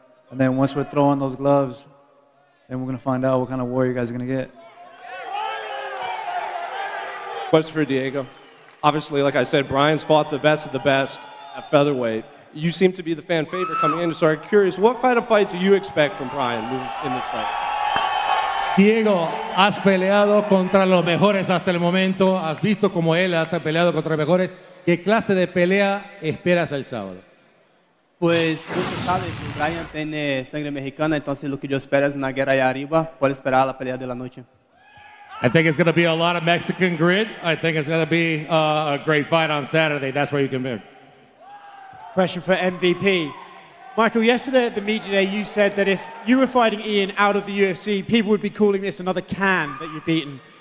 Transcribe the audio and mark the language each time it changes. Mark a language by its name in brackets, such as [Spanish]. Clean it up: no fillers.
[English] And then once we're throwing those gloves, then we're going to find out what kind of war you guys are going to get. Question for Diego. Obviously, like I said, Brian's fought the best of the best at featherweight. You seem to be the fan favorite coming in. So I'm curious, what kind of fight do you expect from Brian in this fight? [Spanish] Diego, has peleado contra los mejores hasta el momento. Has visto como él ha peleado contra los mejores. ¿Qué clase de pelea esperas el sábado? Pues, usted sabe que Brian tiene sangre mexicana, entonces lo que yo espero es una guerra allá arriba. Puede esperar la pelea de la noche. [English] I think it's going to be a lot of Mexican grit. I think it's going to be a great fight on Saturday. That's where you can be. Question for MVP. Michael, yesterday at the media day, you said that if you were fighting Ian out of the UFC, people would be calling this another can that you've beaten.